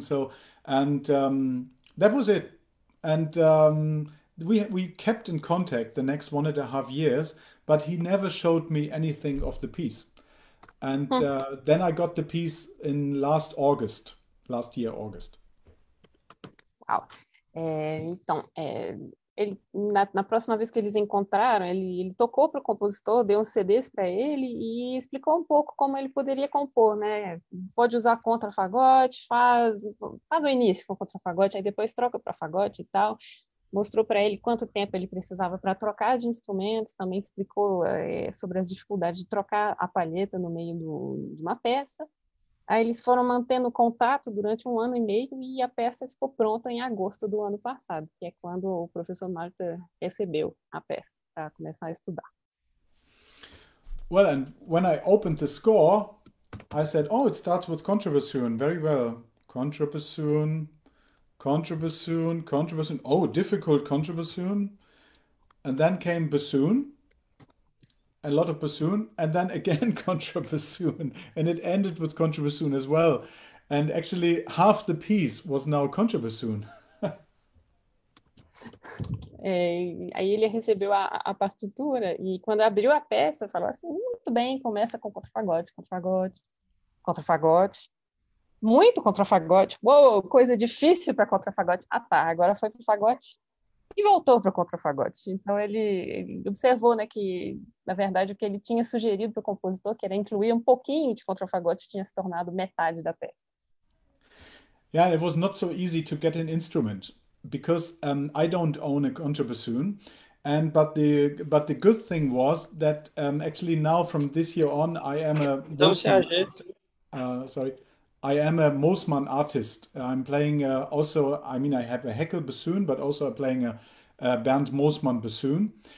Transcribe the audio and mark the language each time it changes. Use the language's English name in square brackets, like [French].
[English] So, and that was it. And we kept in contact the next 1.5 years. But he never showed me anything of the piece. And then I got the piece in last August, last year, August. [Portuguese] Uau! Então, ele, na próxima vez que eles encontraram, ele tocou para o compositor, deu uns CDs para ele e explicou um pouco como ele poderia compor, né? Pode usar contrafagote, faz o início com contrafagote, aí depois troca para fagote e tal. Mostrou para ele quanto tempo ele precisava para trocar de instrumentos, também explicou sobre as dificuldades de trocar a palheta no meio de uma peça. Aí eles foram mantendo contato durante 1.5 anos e a peça ficou pronta em agosto do ano passado, que é quando o professor Marta recebeu a peça para começar a estudar. [English] Well, and when I opened the score, I said, oh, it starts with contrabassoon, very well, contrabassoon. Contrabassoon, contrabassoon, oh, difficult contrabassoon. And then came bassoon, a lot of bassoon, and then again contrabassoon. And it ended with contrabassoon as well. And actually, half the piece was now contrabassoon. [Portuguese] Aí ele recebeu a partitura, e quando abriu a peça, falou assim, muito bem, começa com contrafagote, contrafagote, contrafagote. Muito contrafagote. Uou, coisa difícil para contrafagote. Ah, tá, agora foi para o fagote e voltou para o contrafagote. Então, ele observou, né, que, na verdade, o que ele tinha sugerido para o compositor, que era incluir um pouquinho de contrafagote, tinha se tornado metade da peça. [English] Yeah, it was not so easy to get an instrument, because I don't own a contrabassoon. And but the good thing was that actually now from this year on, I am a... I am a Moosman artist. I'm playing I have a Heckel bassoon, but also I'm playing a Bernd Moosman bassoon.